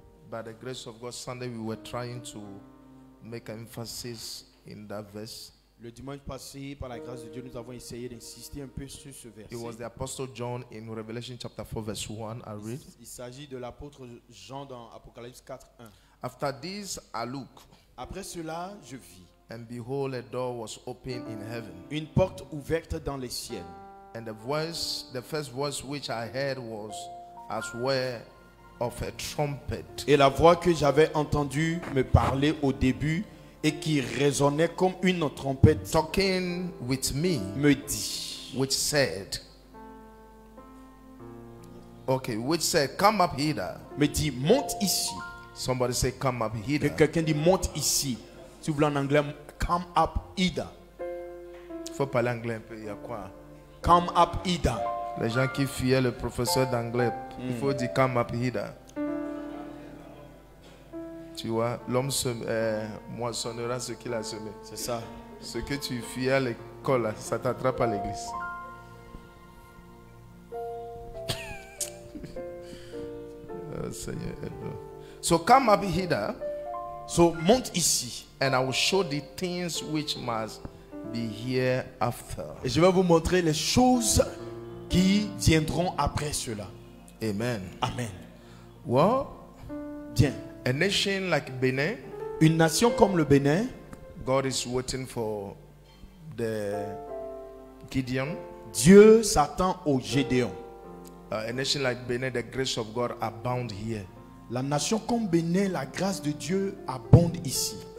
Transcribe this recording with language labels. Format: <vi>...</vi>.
<en>By the grace of God, Sunday we were trying to make emphasis in that verse.</en> <fr>Le dimanche passé, par la grâce de Dieu, nous avons essayé d'insister un peu sur ce verset.</fr> <en>It was the Apostle John in Revelation chapter 4 verse 1. I read.</en> <fr>Il s'agit de l'apôtre Jean dans Apocalypse 4, 1.</fr> <en>After this, I look.</en> <fr>Après cela, je vis.</fr> <en>And behold, a door was open in heaven.</en> <fr>Une porte ouverte dans les ciels.</fr> <en>And the first voice which I heard was as were of a trumpet.</en> <fr>Et la voix que j'avais entendue me parlait au début et qui résonnait comme une trompette.</fr> <en>Talking with me.</en> <fr>Me dit.</fr> <en>Which said. Okay, which said, come up here.</en> <fr>Me dit, monte ici.</fr> <en>Somebody say, come up here.</en> <fr>Que quelqu'un dit, monte ici. Si vous voulez en anglais,</fr> <en>come up Ida.</en> <fr>Faut parler anglais un peu, il y a quoi?</fr> <en>Come up Ida.</en> <fr>Les gens qui fuyaient le professeur d'anglais, mm. Il faut dire</fr> <en>come up Ida.</en> <fr>Tu vois, l'homme moissonnera ce qu'il a semé. C'est ça. Ce que tu fuyais à l'école, ça t'attrape à l'église. Oh, Seigneur, aide-moi.</fr> <en>So come up Ida.</en> <fr>So monte ici.</fr> <en>And I will show the things which must be here after.</en> <fr>Et je vais vous montrer les choses qui viendront après cela. Amen. Amen.</fr> <en>Well,</en> <fr>bien.</fr> <en>A nation like Benin.</en> <fr>Une nation comme le Bénin.</fr> <en>God is waiting for the Gideon.</en> <fr>Dieu s'attend au Gédéon.</fr> <en>A nation like Benin, the grace of God abound here.</en> <fr>La nation comme Bénin, la grâce de Dieu abonde ici.</fr>